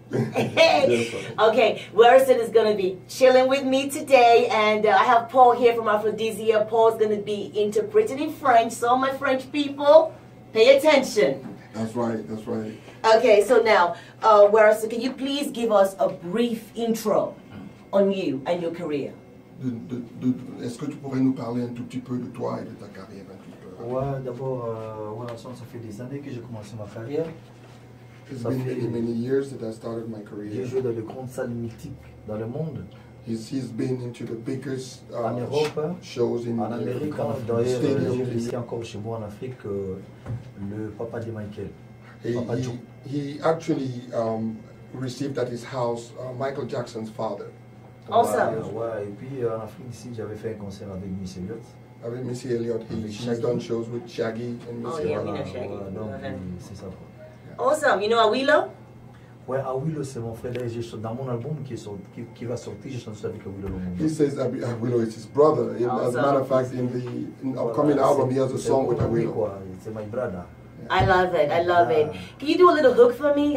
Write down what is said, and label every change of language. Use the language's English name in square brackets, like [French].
[English] Okay, Werrason is going to be chilling with me today, and I have Paul here from Aphrodisia. Paul's going to be interpreting in French, so my French people, pay attention. That's right. Okay, so now, Werrason, can you please give us a brief intro on you and your career? [French] Est-ce que tu pourrais nous parler un tout petit peu de toi et de ta carrière? Ouais, d'abord, Werrason, ça fait des années que j'ai commencé ma carrière. [English] It's been many years that I started my career. [French] J'ai joué dans les grandes salles mythiques dans le monde. [English] He's been into the biggest [French] en Europe, [English] shows in [French] en Amérique, en d'ailleurs, ici encore chez moi en Afrique, le papa de Michael. [English] He actually received at his house Michael Jackson's father. Awesome. [French] Ouais, et puis en Afrique ici, j'avais fait un concert avec Missy Elliott. Avec [English] Missy Elliott, he has done shows with Shaggy and Missy Elliott. Oh yeah, [French] Shaggy. C'est ça. [English] Awesome, you know [French] Awilo? Ouais, Awilo, c'est mon frère. Je suis dans mon album qui va sortir. Je chante avec Awilo. [English] He says Awilo is his brother. Awesome. As a matter of fact, in the upcoming album, he has a song with Awilo. [French] C'est [English] my brother. I love it. Can you do a little hook for me?